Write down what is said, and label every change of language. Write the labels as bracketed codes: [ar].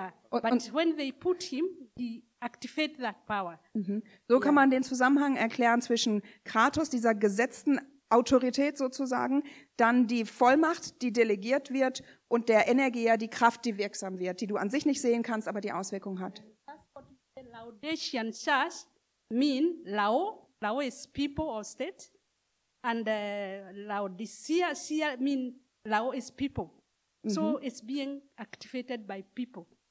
[en] But when they put him, he activate that power. Mm-hmm. [de] So kann man den Zusammenhang erklären zwischen Kratos, dieser gesetzten Autorität sozusagen, dann die Vollmacht, die delegiert wird, und der Energia, die Kraft, die wirksam wird, die du an sich nicht sehen kannst, aber die Auswirkung hat. [en] That's what the Laodicean Church mean, Lao is people or state, and Laodicea mean Lao is people. Mm-hmm. So it's being activated by people.